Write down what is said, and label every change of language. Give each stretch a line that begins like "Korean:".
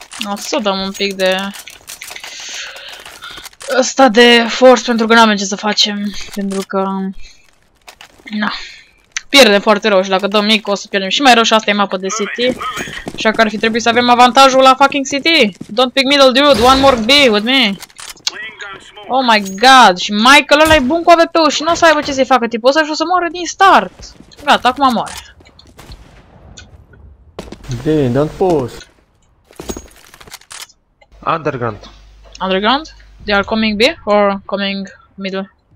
Romanian: O să dăm un pic de... Asta de force pentru că n-avem ce să facem, pentru că... Na. Pierdem foarte rău și dacă dăm mic o să pierdem și mai rău și asta e mapa de city. Așa că ar fi trebuit să avem avantajul la fucking city.
English: Don't pick middle dude, one more B with me.
Romanian: Oh my god, și Michael ăla e bun cu AWP-ul și nu o să aibă ce să-i facă tipul ăsta și o să moară din start. Gata, acum moare.
English: Bine, don't push. Underground. Underground? They are coming B or coming middle?